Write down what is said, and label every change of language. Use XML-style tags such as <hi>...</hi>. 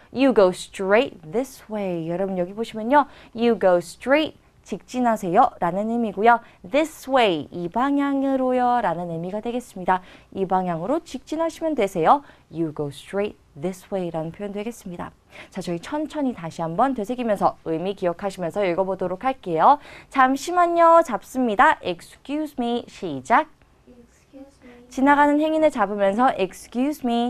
<en>You go straight this way.</en> <ko>여러분 여기 보시면요.</ko> <en>You go straight</en> <ko>직진하세요 라는 의미고요.</ko> <en>This way</en> <ko>이 방향으로요 라는 의미가 되겠습니다. 이 방향으로 직진하시면 되세요.</ko> <en>You go straight this way</en> <ko>라는 표현 되겠습니다. 자, 저희 천천히 다시 한번 되새기면서 의미 기억하시면서 읽어보도록 할게요. 잠시만요. 잡습니다.</ko> <en>Excuse me.</en> <ko>시작.</ko> <en>Excuse me.</en> <ko>지나가는 행인을 잡으면서</ko> <en>Excuse me.</en>